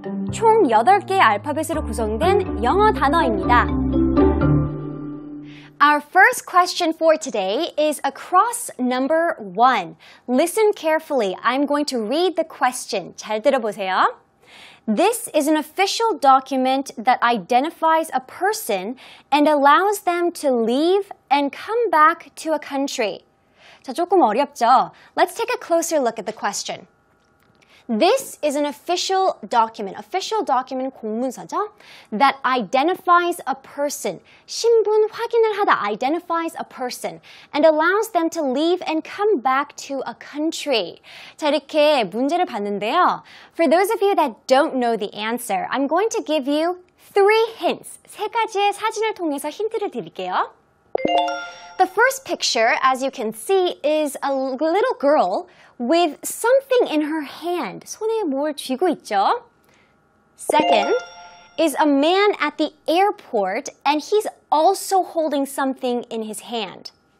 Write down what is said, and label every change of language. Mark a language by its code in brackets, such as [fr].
[ko] 총 8개 알파벳으로 구성된 영어 단어입니다. [en] Our first question for today is across number one. Listen carefully. I'm going to read the question. [ko] 잘 들어보세요. [en] This is an official document that identifies a person and allows them to leave and come back to a country. [ko] 자, 조금 어렵죠? [en] Let's take a closer look at the question. This is an official document [ko] 공문서죠? [en] That identifies a person, [ko] 신분 확인을 하다, [en] identifies a person, and allows them to leave and come back to a country. [ko] 자, 이렇게 문제를 봤는데요. [en] For those of you that don't know the answer, I'm going to give you three hints. [ko] 세 가지의 사진을 통해서 힌트를 드릴게요. [en] The first picture, as you can see, is a little girl with something in her hand. [ko] 손에 뭘 쥐고 있죠? [en] Second is a man at the airport, and he's also holding something in his hand.